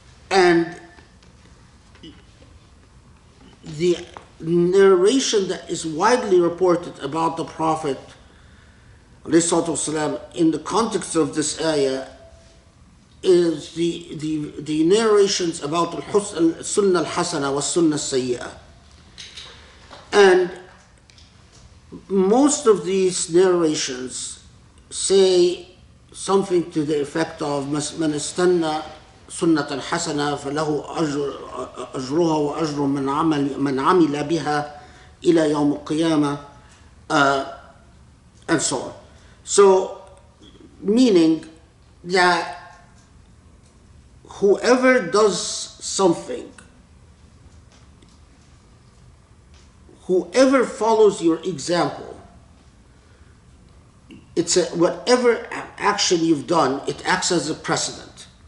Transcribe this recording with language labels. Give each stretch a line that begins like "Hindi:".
English: And the narration that is widely reported about the Prophet in the context of this ayah is the narrations about Sunnah al-Hasana wa Sunnah al-Sayyi'ah. And most of these narrations say something to the effect of
Arabic: من استنى سنة الحسنة فله أجرها وأجر من عمل بها إلى يوم القيامة,
English: and so on. So, meaning that whoever does something, whoever follows your example, it's a, whatever action you've done, it acts as a precedent.